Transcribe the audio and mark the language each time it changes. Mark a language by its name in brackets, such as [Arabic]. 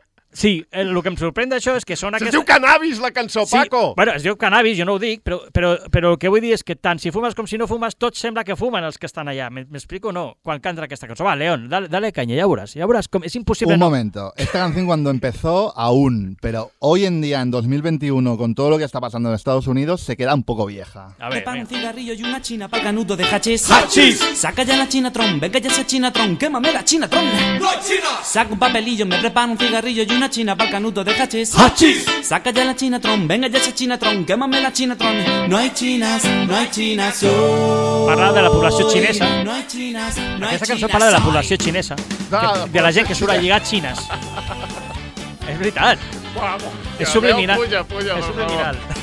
[Catalan] sí, el que em sorprèn d'això és que són aquestes... Es diu Cannabis, la cançó, sí, Paco! Bueno, es diu Cannabis, jo no ho dic, però el que vull dir és que tant si fumes com si no fumes, tot sembla que fumen els que estan allà. M'explico o no? Quan canta aquesta cançó. Va, León, [Spanish] dale caña, [Catalan] ja veuràs com és impossible... [Spanish] Un no... momento. Esta canción cuando empezó, aún, pero hoy en día, en 2021, con todo lo que está pasando en Estados Unidos, se queda un poco vieja. A ver, un cigarrillo y una china pa' canuto de hachís. ¡Hachís! Saca ya la china tron, venga ya esa china tron, quémame la china tron. ¡No hay china! Saca un papelillo, me preparo un cigarrillo y una china pa'l canuto de hachís. ¡Hachís! Saca ya la china tron, venga ya esa china tron, quémame la china tron. No hay chinas, no hay chinas, soy. [Catalan] Parla de la població xinesa. [Spanish] No hay chinas, no [Catalan] aquesta [Spanish] hay chinas, [Catalan] cançó parla de la població xinesa. De la gent que surt a lligar xines. És veritat. [Spanish] Vamos. [Catalan] És subliminal. Puja, és subliminal.